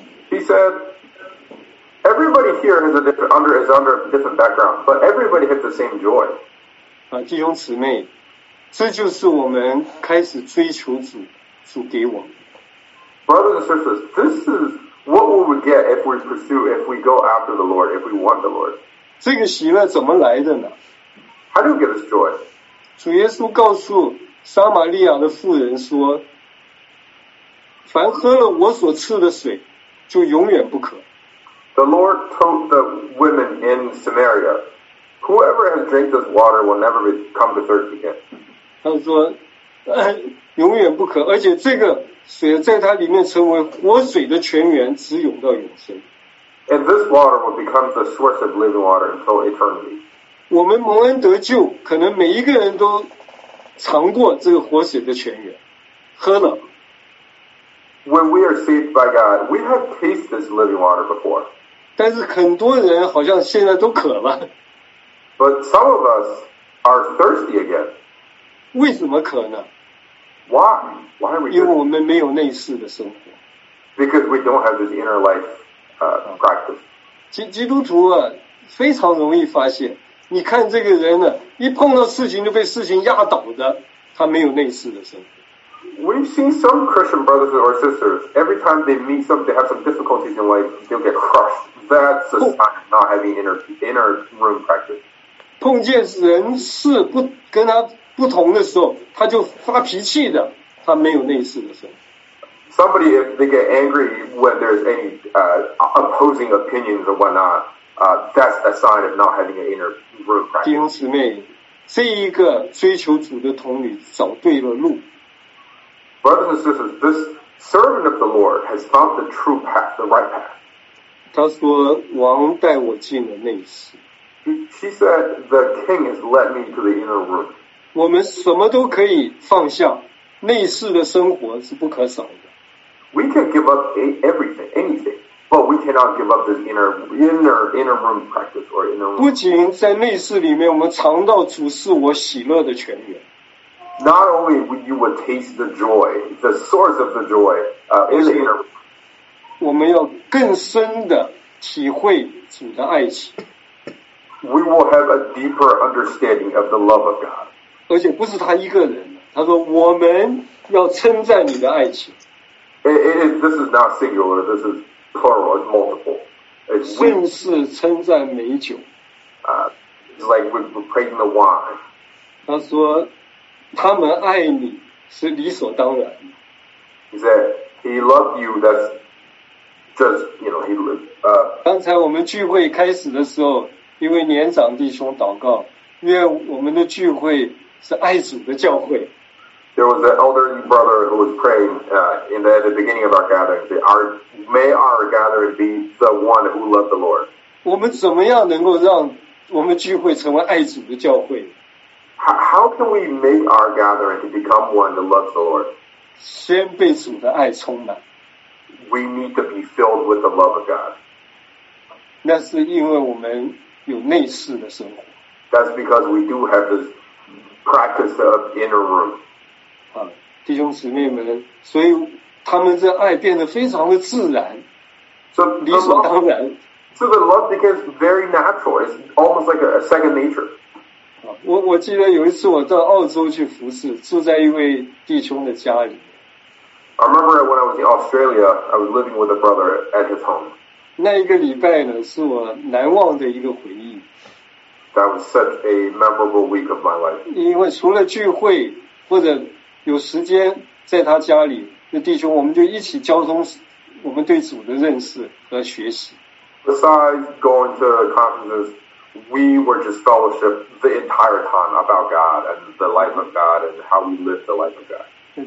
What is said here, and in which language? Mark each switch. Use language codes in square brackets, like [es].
[en] He said,Everybody here has a different, is under a different background, but everybody has the same joy. [zh] 啊，弟兄姊妹，这就是我们开始追求主，主给我们。 [en] Brothers and sisters, this is what we would get if we pursue, if we go after the Lord, if we want the Lord. [zh] 这个喜乐怎么来的呢？ [en] How do you get this joy? [zh] 主耶稣告诉撒玛利亚的妇人说，凡喝了我所赐的水，就永远不渴。 [en] The Lord told the women in Samaria, whoever has drank this water will never come to thirst again. [zh] 他说永远不渴而且这个水在它里面成为活水的泉源直涌到永生。 [en] And this water will become the source of living water until eternity. [zh] 我们蒙恩得救可能每一个人都尝过这个活水的泉源喝了。 [en] When we are saved by God, we have tasted this living water before. [zh] 但是很多人好像现在都渴了。 [en] But some of us are thirsty again. [zh] 为什么渴呢？ [en] Why are we? [zh] 因为我们没有内室的生活。 [en] Because we don't have this inner life practice. [zh] 基督徒啊，非常容易发现，你看这个人呢，一碰到事情就被事情压倒的，他没有内室的生活。 [en] We've seen some Christian brothers or sisters, every time they meet some, they have some difficulties in life, they'll get crushed. That's a sign of not having inner room practice. [zh] 碰见人事不跟他不同的时候，他就发脾气的，他没有内室的时候。 [en] Somebody, if they get angry when there's any opposing opinions or whatnot, that's a sign of not having an inner room practice. [zh] 弟兄姊妹，这一个追求主的童女走对了路。 [en] Brothers and sisters, this servant of the Lord has found the true path, the right path. [zh] 他说王带我进了内室。 [en] She said, the king has led me to the inner room. [zh] 我们什么都可以放下，内室的生活是不可少的。 [en] We can give up everything, anything, but we cannot give up this inner room practice or inner room. [zh] 不仅在内室里面，我们尝到主是我喜乐的泉源。 [en] Not only would you would taste the joy, the source of the joy, in the inner room. [zh] 我们要更深的体会主的爱情。 [en] We will have a deeper understanding of the love of God. [zh] 而且不是他一个人，他说我们要称赞你的爱情。 [en] This is not singular, this is plural, it's multiple. [zh] 甚是称赞美酒。 [en] It's like we're praising the wine. [zh] 他说他们爱你是理所当然。 [en] He said, "He loved you." That's just, you know, he lived. [zh] 刚才我们聚会开始的时候，一位年长弟兄祷告，因为我们的聚会是爱主的教会。 [en] There was an elderly brother who was praying at the beginning of our gathering. May our gathering be the one who loved the Lord. [zh] 我们怎么样能够让我们聚会成为爱主的教会？ [en] How can we make our gathering to become one that loves the Lord? [zh] 先被主的爱充满。 [en] We need to be filled with the love of God. [zh] 那是因为我们有内室的生活。 [en] That's because we do have this practice of inner room. [zh] 弟兄姊妹们，所以他们这爱变得非常的自然，理所当然。 [en] So the love becomes very natural. It's almost like a second nature. [zh] 我记得有一次我到澳洲去服侍，住在一位弟兄的家里。 [en] I remember when I was in Australia, I was living with a brother at his home. [zh] 那一个礼拜呢，是我难忘的一个回忆。 [en] That was such a memorable week of my life. [zh] 因为除了聚会或者有时间在他家里，那弟兄我们就一起交通我们对主的认识和学习。 [en] Besides going to conferences. We were just fellowship the entire time about God and the life of God and how we live the life of God.